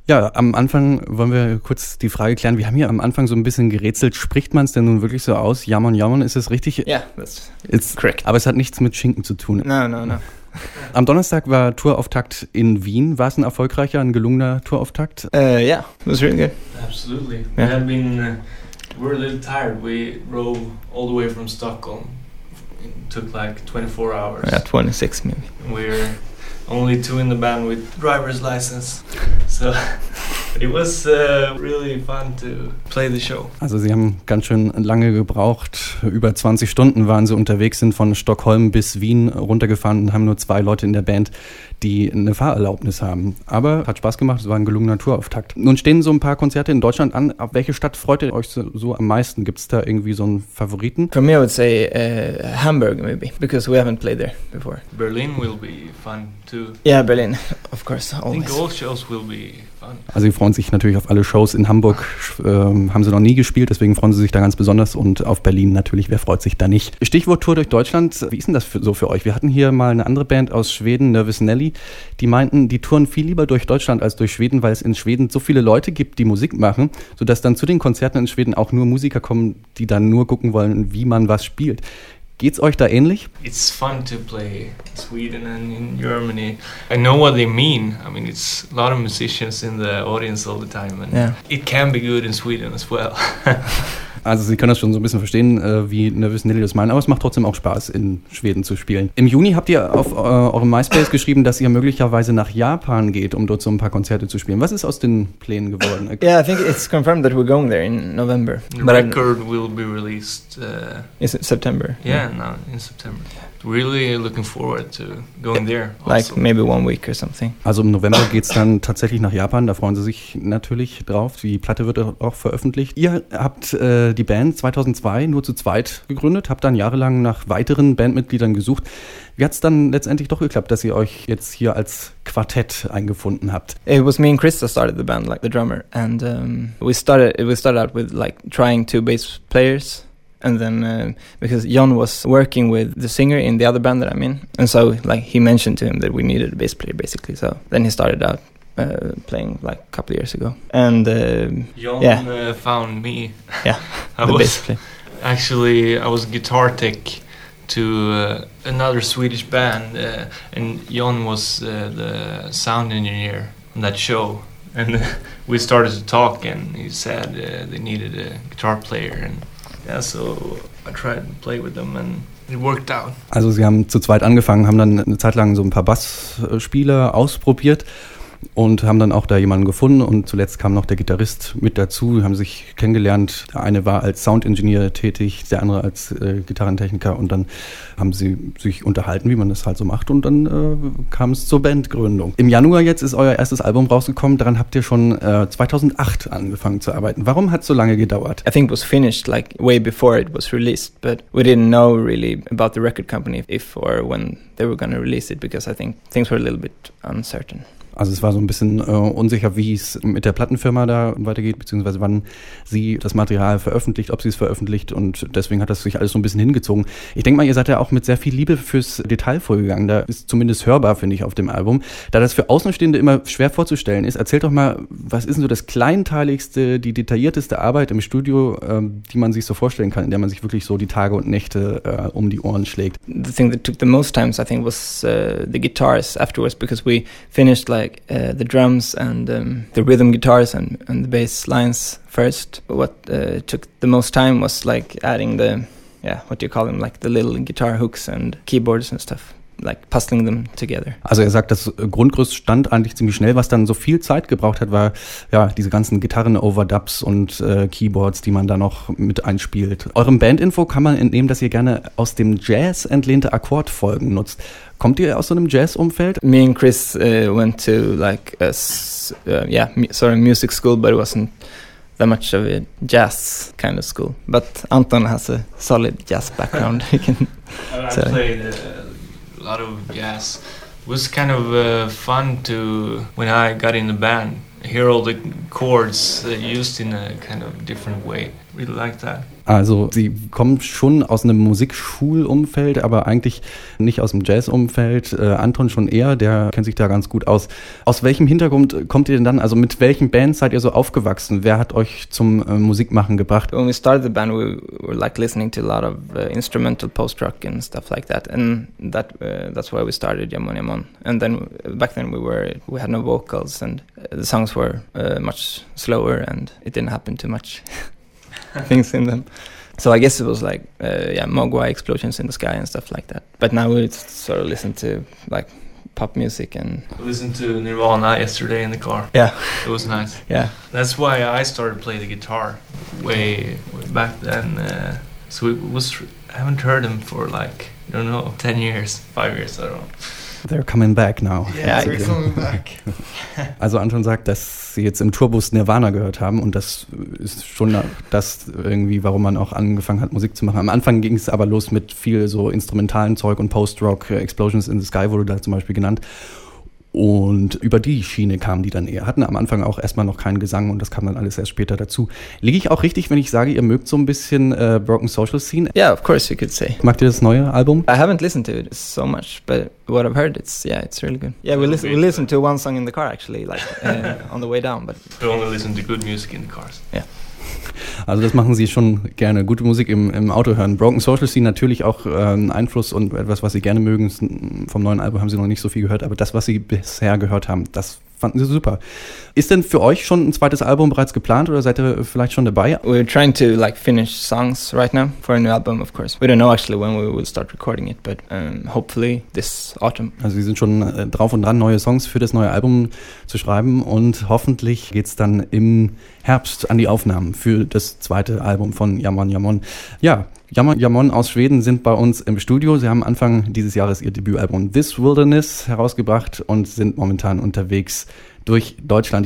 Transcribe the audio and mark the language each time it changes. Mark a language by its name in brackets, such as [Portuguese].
[German] Ja, am Anfang wollen wir kurz die Frage klären. Wir haben hier am Anfang so ein bisschen gerätselt. Spricht man es denn nun wirklich so aus? Jamon, ist es richtig? Ja, das ist korrekt. Aber es hat nichts mit Schinken zu tun. [English] No. [German] Am Donnerstag war Tourauftakt in Wien. War es ein erfolgreicher, ein gelungener Tourauftakt? [English] Ja, yeah, it was really good. Absolutely. Yeah. We have been We're a little tired. We drove all the way from Stockholm. It took like 24 hours. Yeah, 26 maybe. We're only two in the band with driver's license. So it was really fun to play the show. [German] Also Sie haben ganz schön lange gebraucht. Über 20 Stunden waren Sie unterwegs, sind von Stockholm bis Wien runtergefahren und haben nur zwei Leute in der Band, die eine Fahrerlaubnis haben. Aber hat Spaß gemacht, es war ein gelungener Tourauftakt. Nun stehen so ein paar Konzerte in Deutschland an. Auf welche Stadt freut ihr euch so am meisten? Gibt es da irgendwie so einen Favoriten? [English] For me I would say Hamburg maybe, because we haven't played there before. Berlin will be fun too. Yeah, Berlin, of course, always. I think all shows will be fun. [German] Also Sie freuen sich natürlich auf alle Shows in Hamburg, haben Sie noch nie gespielt, deswegen freuen Sie sich da ganz besonders und auf Berlin natürlich, wer freut sich da nicht? Stichwort Tour durch Deutschland, wie ist denn das so für euch? Wir hatten hier mal eine andere Band aus Schweden, Nervous Nelly, die meinten, die touren viel lieber durch Deutschland als durch Schweden, weil es in Schweden so viele Leute gibt, die Musik machen, sodass dann zu den Konzerten in Schweden auch nur Musiker kommen, die dann nur gucken wollen, wie man was spielt. Geht's euch da ähnlich? [English] It's fun to play Sweden and in Germany. I know what they mean. I mean, it's a lot of musicians in the audience all the time. And yeah. It can be good in Sweden as well. [German] Also Sie können das schon so ein bisschen verstehen, wie Nervous Nelly das meint, aber es macht trotzdem auch Spaß, in Schweden zu spielen. Im Juni habt ihr auf eurem MySpace geschrieben, dass ihr möglicherweise nach Japan geht, um dort so ein paar Konzerte zu spielen. Was ist aus den Plänen geworden? [English] Yeah, I think it's confirmed that we're going there in November. The record will be released in September. Yeah, now in September. Really looking forward to going there. [German] Also. [English] Like maybe 1 week or something. [German] Also im November geht es dann tatsächlich nach Japan. Da freuen Sie sich natürlich drauf. Die Platte wird auch veröffentlicht. Ihr habt die Band 2002 nur zu zweit gegründet, habt dann jahrelang nach weiteren Bandmitgliedern gesucht. Wie hat es dann letztendlich doch geklappt, dass ihr euch jetzt hier als Quartett eingefunden habt? [English] It was me and Chris that started the band, like the drummer. And we started out with like trying two bass players. And then, because Jon was working with the singer in the other band that I'm in, and so like he mentioned to him that we needed a bass player, basically. So then he started out playing like a couple of years ago. And found me. Yeah, I was guitar tech to another Swedish band, and Jon was the sound engineer on that show. And we started to talk, and he said they needed a guitar player, and. Yeah, so I tried to play with them and it worked out. [German] Also Sie haben zu zweit angefangen, haben dann eine Zeit lang so ein paar Bassspiele ausprobiert und haben dann auch da jemanden gefunden und zuletzt kam noch der Gitarrist mit dazu, haben sich kennengelernt. Der eine war als Soundingenieur tätig, der andere als Gitarrentechniker und dann haben sie sich unterhalten, wie man das halt so macht und dann kam es zur Bandgründung. Im Januar jetzt ist euer erstes Album rausgekommen, daran habt ihr schon 2008 angefangen zu arbeiten. Warum hat es so lange gedauert? [English] I think it was finished like way before it was released, but we didn't know really about the record company if or when they were going to release it, because I think things were a little bit uncertain. [German] Also es war so ein bisschen unsicher, wie es mit der Plattenfirma da weitergeht, beziehungsweise wann sie das Material veröffentlicht, ob sie es veröffentlicht und deswegen hat das sich alles so ein bisschen hingezogen. Ich denke mal, ihr seid ja auch mit sehr viel Liebe fürs Detail vorgegangen, da ist zumindest hörbar, finde ich, auf dem Album. Da das für Außenstehende immer schwer vorzustellen ist, erzählt doch mal, was ist denn so das kleinteiligste, die detaillierteste Arbeit im Studio, die man sich so vorstellen kann, in der man sich wirklich so die Tage und Nächte um die Ohren schlägt? [English] The thing that took the most time, I think, was the guitars afterwards, because we finished like the drums and the rhythm guitars and the bass lines first. But what took the most time was like adding the, yeah, what do you call them, like the little guitar hooks and keyboards and stuff, like puzzling them together. [German] Also er sagt, das Grundgerüst stand eigentlich ziemlich schnell. Was dann so viel Zeit gebraucht hat, war ja diese ganzen Gitarren-Overdubs und Keyboards, die man da noch mit einspielt. Eurem Bandinfo kann man entnehmen, dass ihr gerne aus dem Jazz entlehnte Akkordfolgen nutzt. Kommt ihr aus so einem Jazz-Umfeld? [English] Me and Chris went to like a music school, but it wasn't that much of a jazz kind of school. But Anton has a solid jazz background. I played a lot of jazz. It was kind of fun to, when I got in the band, hear all the chords used in a kind of different way. Really like that. [German] Also Sie kommen schon aus einem Musikschulumfeld, aber eigentlich nicht aus dem Jazzumfeld. Anton schon eher, der kennt sich da ganz gut aus. Aus welchem Hintergrund kommt ihr denn dann? Also mit welchen Bands seid ihr so aufgewachsen? Wer hat euch zum Musikmachen gebracht? [English] When we started the band, we were like listening to a lot of instrumental post-rock and stuff like that. And that's why we started Yamon Yamon. And then back then we had no vocals and the songs were much slower and it didn't happen too much. things in them. So I guess it was like, Mogwai explosions in the sky and stuff like that. But now we sort of listen to like pop music and... I listened to Nirvana yesterday in the car. Yeah. It was nice. Yeah. That's why I started playing the guitar way back then. I haven't heard them for like, I don't know, 10 years, 5 years, I don't know. They're coming back now. Yeah, they're coming back. [German] Also Anton sagt, dass sie jetzt im Tourbus Nirvana gehört haben und das ist schon das irgendwie, warum man auch angefangen hat, Musik zu machen. Am Anfang ging es aber los mit viel so instrumentalen Zeug und Post-Rock, Explosions in the Sky wurde da zum Beispiel genannt. Und über die Schiene kamen die dann eher. Hatten am Anfang auch erstmal noch keinen Gesang und das kam dann alles erst später dazu. Liege ich auch richtig, wenn ich sage, ihr mögt so ein bisschen Broken Social Scene? [English] Yeah, of course you could say. [German] Magt ihr das neue Album? [English] I haven't listened to it so much, but what I've heard, it's really good. Yeah, we listened to one song in the car actually, like on the way down. But we only listen to good music in the cars. Yeah. [German] Also das machen sie schon gerne, gute Musik im Auto hören. Broken Social Scene natürlich auch ein Einfluss und etwas, was sie gerne mögen. Vom neuen Album haben sie noch nicht so viel gehört, aber das, was sie bisher gehört haben, das fanden sie super. Ist denn für euch schon ein zweites Album bereits geplant oder seid ihr vielleicht schon dabei? [English] We're trying to like finish songs right now for a new album, of course. We don't know actually when we will start recording it, but hopefully this autumn. [German] Also sie sind schon drauf und dran, neue Songs für das neue Album zu schreiben und hoffentlich geht's dann im Herbst an die Aufnahmen für das zweite Album von Jamon Jamon. Ja, Jamon Jamon aus Schweden sind bei uns im Studio. Sie haben Anfang dieses Jahres ihr Debütalbum This Wilderness herausgebracht und sind momentan unterwegs durch Deutschland.